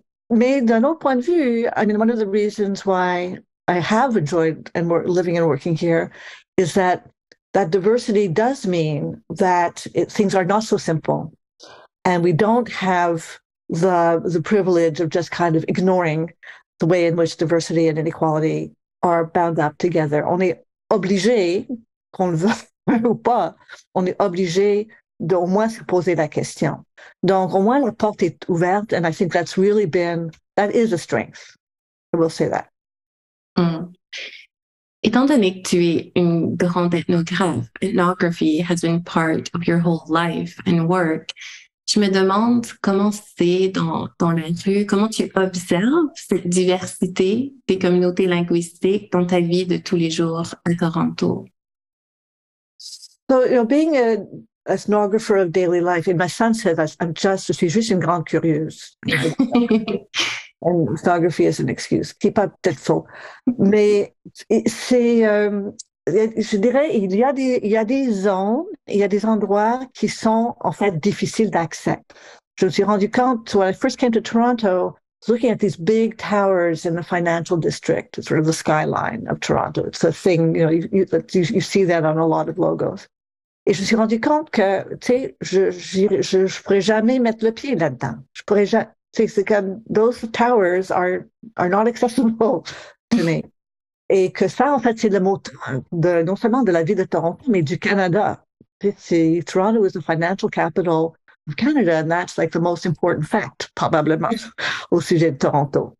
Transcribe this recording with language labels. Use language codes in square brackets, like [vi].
[fr] Mais d'un autre point de vue, [en] I mean, one of the reasons why I have enjoyed and living and working here is that that diversity does mean that things are not so simple, and we don't have the privilege of just kind of ignoring the way in which diversity and inequality are bound up together. [fr] On est obligé, qu'on le veuille ou pas, on est obligé d'au moins se poser la question. Donc, au moins, la porte est ouverte, [en] and I think that's really been, that is a strength. I will say that. [fr] Mm. Étant donné que tu es une grande ethnographe, [en] ethnography has been part of your whole life and work, [fr] je me demande comment c'est dans la rue, comment tu observes cette diversité des communautés linguistiques dans ta vie de tous les jours à Toronto? [en] So, you know, being ethnographer of daily life, in my sense, I'm just [fr] une grande curieuse. [en] And ethnography is an excuse. Keep up that soul. [fr] Mais c'est, je dirais, il y a des endroits qui sont en fait difficiles d'accès. Je me suis rendu compte, [en] when I first came to Toronto, looking at these big towers in the financial district, sort of the skyline of Toronto. It's a thing, you know, you see that on a lot of logos. [fr] Et je me suis rendu compte que, tu sais, je pourrais jamais mettre le pied là-dedans. Je pourrais jamais, tu sais, c'est comme, [en] those towers are not accessible to me. [fr] Et que ça, en fait, c'est le moteur de, non seulement de la ville de Toronto, mais du Canada. [en] Toronto is the financial capital of Canada, and that's like the most important fact, [fr] probablement, au sujet de Toronto.